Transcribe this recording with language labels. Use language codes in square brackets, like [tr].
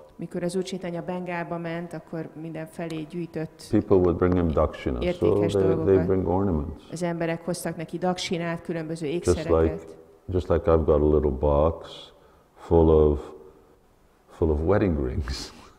[hu] Mikor az Úr Chaitanya Bengálba ment, akkor mindenfelé gyűjtött. [en] People would bring him dakshina, so they bring ornaments. [hu] Az emberek hoztak neki dakshinát, különböző ékszereket. [en] Just like I've got a little box full of wedding rings.